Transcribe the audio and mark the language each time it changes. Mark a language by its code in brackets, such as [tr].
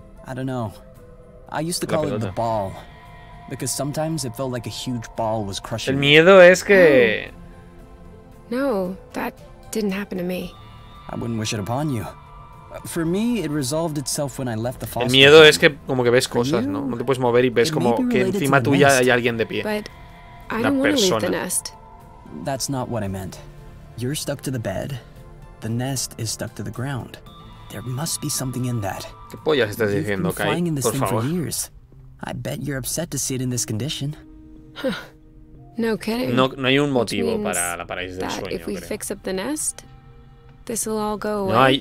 [en] I don't know. I used to call it the ball. Because sometimes it felt like a huge ball was crushing [es] me. El miedo es que... [en] No, that didn't happen to me. I wouldn't wish it upon you. For me, it resolved itself when I left the foster. [es] El miedo es que como que ves cosas, ¿no? No te puedes mover y ves como que encima tuya hay alguien de pie. [en] But I don't want to leave the nest. That's not what I meant. You're stuck to the bed. The nest is stuck to the ground. There must be something in that. [es] ¿Qué pollas estás diciendo, Kai? [en] Flying in this [es] por [en] thing [es] favor. [en] For years. I bet you're upset to see it in this condition. No kidding. [es] No hay un motivo para la parálisis del sueño. [en] If we fix up the nest, this will all go away.